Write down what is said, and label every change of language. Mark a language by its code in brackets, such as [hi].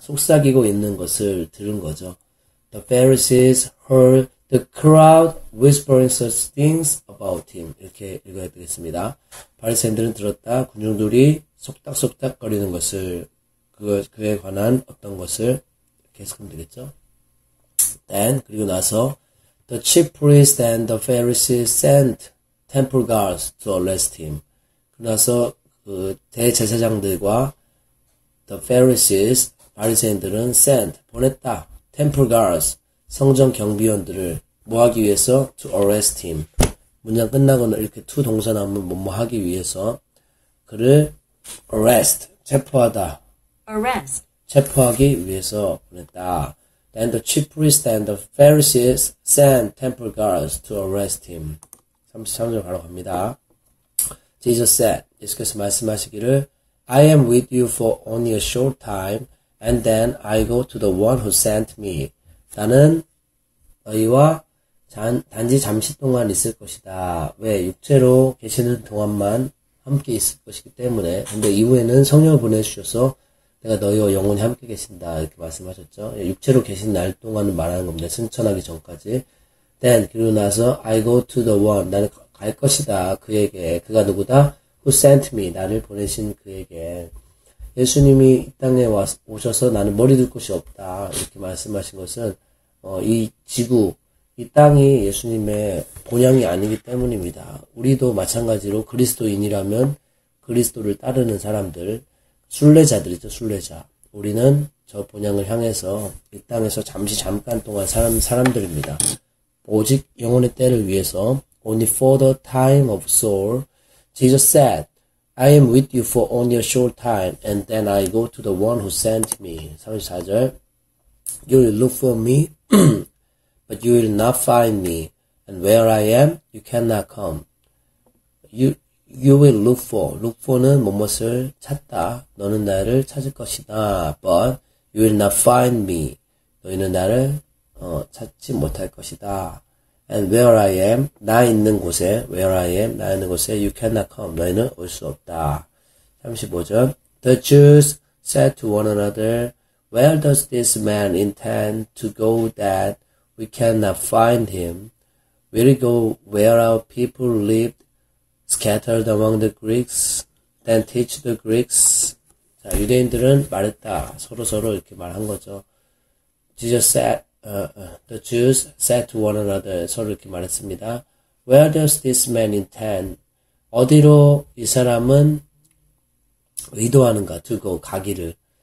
[ko] 속삭이고 있는 것을 들은 거죠. [en] The Pharisees heard the crowd whispering such things about him. [ko] 이렇게 읽어야 되겠습니다. 바리새인들은 들었다. 군중들이 속닥속닥거리는 것을, 그에 관한 어떤 것을 계속하면 되겠죠? [en] Then, [ko] 그리고 나서, [en] the chief priest and the Pharisees sent temple guards to arrest him. [ko] 그러고 나서, 그, 대제사장들과 [en] the Pharisees, [ko] 바리새인들은 sent, 보냈다. temple guards, 성전 경비원들을 뭐 하기 위해서? [en] to arrest him. [ko] 문장 끝나거나 이렇게 to 동사 나오면 뭐뭐 하기 위해서 그를 arrest, 체포하다. [en] Arrest. [ko] 체포하기 위해서 보냈다. [en] Then the chief priest and the Pharisees sent temple guards to arrest him. [ko] 33절 바로 갑니다. [en] Jesus said, [ko] 예수께서 말씀하시기를, [en] I am with you for only a short time, and then I go to the one who sent me. [ko] 나는 너희와 단지 잠시 동안 있을 것이다. 왜? 육체로 계시는 동안만 함께 있을 것이기 때문에. 근데 이후에는 성령을 보내주셔서 내가 너희와 영원히 함께 계신다 이렇게 말씀하셨죠. 육체로 계신 날 동안 말하는 겁니다. 승천하기 전까지. Then 그리고 나서 [en] I go to the one [ko] 나는 갈 것이다 그에게. 그가 누구다? [en] Who sent me [ko] 나를 보내신 그에게. 예수님이 이 땅에 오셔서 나는 머리 둘 곳이 없다 이렇게 말씀하신 것은 이 지구 이 땅이 예수님의 본향이 아니기 때문입니다. 우리도 마찬가지로 그리스도인이라면 그리스도를 따르는 사람들. 순례자들이죠, 순례자. 우리는 저 본향을 향해서 이 땅에서 잠시 잠깐 동안 사람들입니다. 오직 영혼의 때를 위해서, [en] only for the time of soul. Jesus said, I am with you for only a short time, and then I go to the one who sent me. [ko] 34절. [en] You will look for me, but you will not find me. And where I am, you cannot come. You will look for. [ko] Look for는 무엇을 찾다. 너는 나를 찾을 것이다. [en] But you will not find me. [ko] 너희는 나를 찾지 못할 것이다. [en] And where I am, [ko] 나 있는 곳에, [en] where I am, 나 있는 곳에, you cannot come. [ko] 너희는 올수 없다. 35절. [en] The Jews said to one another, Where does this man intend to go that we cannot find him? Will he go where our people lived? Scattered among the Greeks, then teach the Greeks. [ko] 자, 유대인들은 말했다. 서로서로 이렇게 말한 거죠. [en] Jesus said, the Jews said to one another, [ko] 서로 이렇게 말했습니다. [en] Where does this man intend? [ko] 어디로 이 사람은 의도하는가? [en] To go, [ko] 가기를.